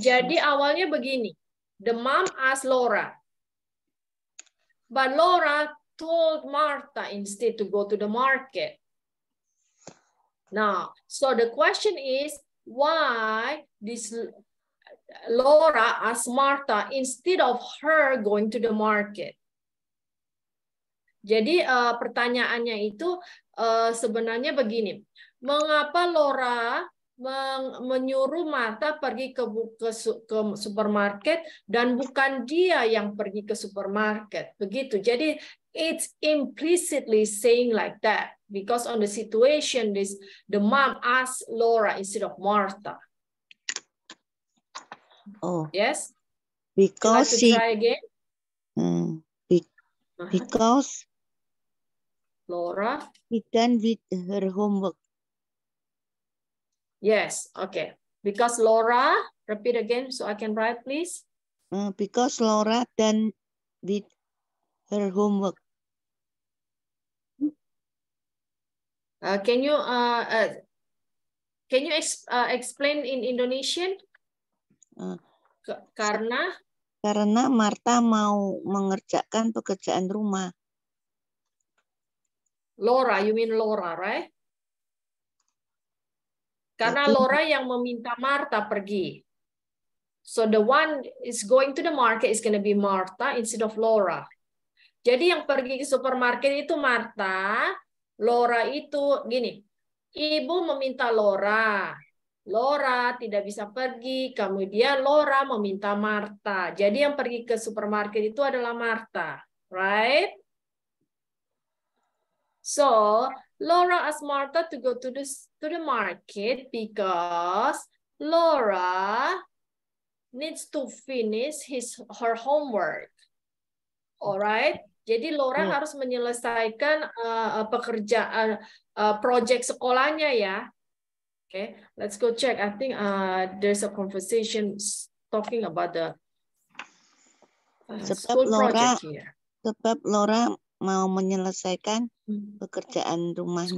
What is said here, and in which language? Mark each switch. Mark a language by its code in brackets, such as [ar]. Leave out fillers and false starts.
[id] Jadi awalnya begini, [en] the mom ask Laura, but Laura told Martha instead to go to the market. Now, so the question is, why this Laura asked Martha instead of her going to the market? [id] Jadi pertanyaannya itu sebenarnya begini, mengapa Laura menyuruh Martha pergi ke supermarket dan bukan dia yang pergi ke supermarket? Begitu. Jadi [en] it's implicitly saying like that. Because on the situation, this the mom asked Laura instead of Martha. Oh, yes. Because you like to try again. Because Laura is done with her homework. Yes, okay. Because Laura, repeat again so I can write, please. Because Laura done with her homework. Can you explain in Indonesian? [id] Karena Martha mau mengerjakan pekerjaan rumah. [en] Laura, you mean Laura, right? [id] Karena Laura yang meminta Martha pergi. [en] So the one is going to the market is going to be Martha instead of Laura. [id] Jadi yang pergi ke supermarket itu Martha, Laura itu gini. Ibu meminta Laura. Laura tidak bisa pergi, kemudian Laura meminta Martha. Jadi yang pergi ke supermarket itu adalah Martha, [en] right? So, Laura asked Martha to go to the market because Laura needs to finish her homework. Alright? [id] Jadi Laura harus menyelesaikan pekerjaan project sekolahnya ya. [en] Okay, let's go check. I think there's a conversation talking about the school Laura, project here. [id] Sebab Laura mau menyelesaikan pekerjaan rumahnya.